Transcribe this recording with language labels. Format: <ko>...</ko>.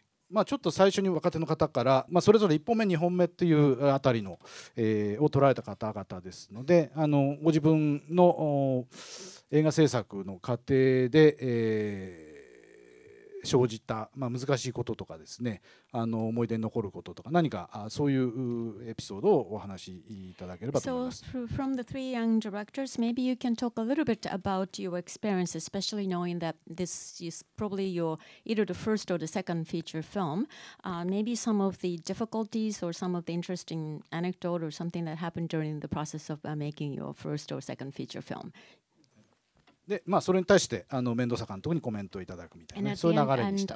<ja>まあちょっと最初に若手の方から、まあ、それぞれ1本目2本目というあたりの、を取られた方々ですのであのご自分の映画制作の過程で、生じた、まあ、難しいこととかですねあの思い出に残ることとか何かそういうエピソードをお話しいただければと思います。</ja> <en>So from the three young directors, maybe you can talk a little bit about your experience, especially knowing that this is probably your either the first or the second feature film. Maybe some of the difficulties or some of the interesting anecdote or something that happened during the process of making your first or second feature film.</en> <ja>でまあ、それに対してあのメンドーサ監督にコメントをいただくみたいな、ね、そういう流れにしたい。</ja>